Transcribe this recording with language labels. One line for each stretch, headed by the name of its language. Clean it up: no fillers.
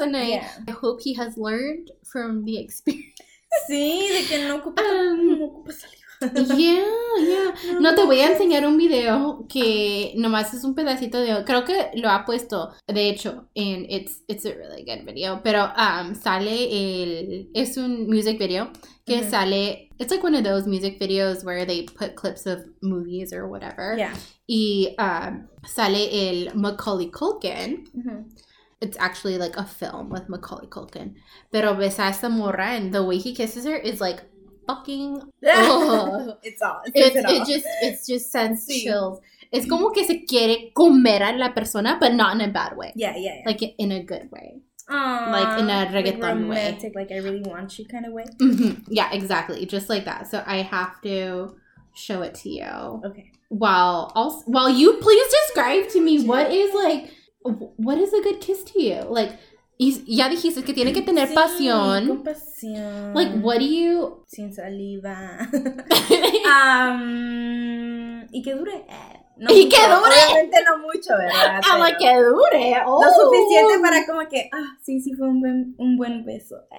English: And I hope he has learned from the experience.
Spanish: Sí, de que no ocupa saliva.
English: Yeah.
Spanish: No, te voy a enseñar un video que nomás es un pedacito de... Creo que lo ha puesto, de hecho,
English: and it's a really good video.
Spanish: Pero sale el... Es un music video que sale...
English: It's like one of those music videos where they put clips of movies or whatever. Yeah.
Spanish: Y sale el Macaulay Culkin. Mm-hmm.
English: It's actually like a film with Macaulay Culkin.
Spanish: Pero besa a esta morra
English: and the way he kisses her is like... fucking it's just sends chills. It's
Spanish: como que se quiere comer a la persona,
English: but not in a bad way. Yeah. Like in a good way. Aww, like in a reggaeton, like romantic way, like I really want you kind of way. Mm-hmm. Yeah, exactly, just like that. So I have to show it to you. Okay, while you please describe to me what is a good kiss to you, like.
Spanish: Y ya dijiste que tiene que tener pasión. Sí, con pasión.
English: Like, what do you...
Spanish: Sin saliva. y que dure. No, y que dure. Obviamente no mucho, ¿verdad? Pero que dure. Oh. Lo suficiente para como que, sí, fue un buen beso.